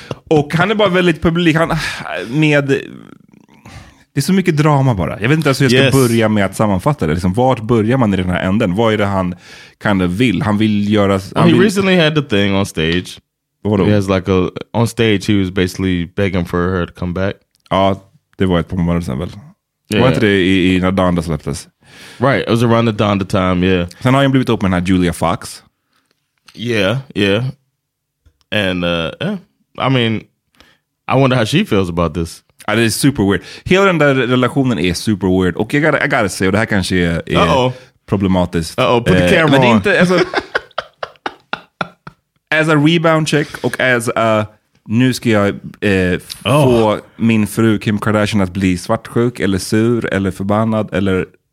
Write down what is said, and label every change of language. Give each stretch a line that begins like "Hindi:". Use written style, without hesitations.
Swedish: Och han är bara väldigt publik. Han med... Det är så mycket drama bara. Jag vet inte ens hur jag ska börja med att sammanfatta det. Liksom, vart börjar man i den här änden? Vad är det han kind of vill? Han vill göra...
English: Recently had the thing on stage.
Swedish: Vadå?
English: He has like a... On stage he was basically begging for her to come back.
Swedish: Ja, det var ett par månader sedan väl. Yeah. Var inte det i när Donda släpptes?
English: Right, it was around the Donda time, yeah.
Swedish: Sen har han blivit upp med den här Julia Fox.
English: Yeah. And, I mean, I wonder how she feels about this.
Swedish: Det är super weird. Hela den där relationen är super weird. Och jag
English: gotta say,
Swedish: och det här kanske är problematiskt.
English: Uh-oh, put the camera on.
Swedish: Inte, alltså,
English: as a rebound chick
Swedish: och as a... Nu ska jag få min fru Kim Kardashian att bli svartsjuk eller sur eller förbannad eller...